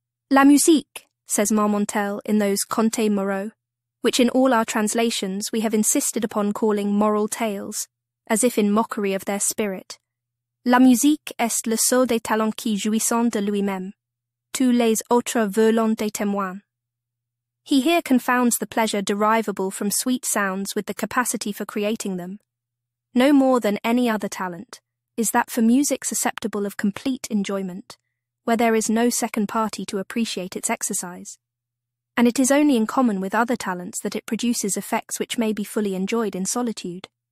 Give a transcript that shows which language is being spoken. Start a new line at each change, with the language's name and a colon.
French: La musique,
English: says Marmontel in those Conte Moreau, which in all our translations we have insisted upon calling moral tales, as if in mockery of their spirit.
French: La musique est le seul des talents qui jouissant de lui-même. Tous les autres veulent des témoins.
English: He here confounds the pleasure derivable from sweet sounds with the capacity for creating them. No more than any other talent is that for music susceptible of complete enjoyment, where there is no second party to appreciate its exercise. And it is only in common with other talents that it produces effects which may be fully enjoyed in solitude.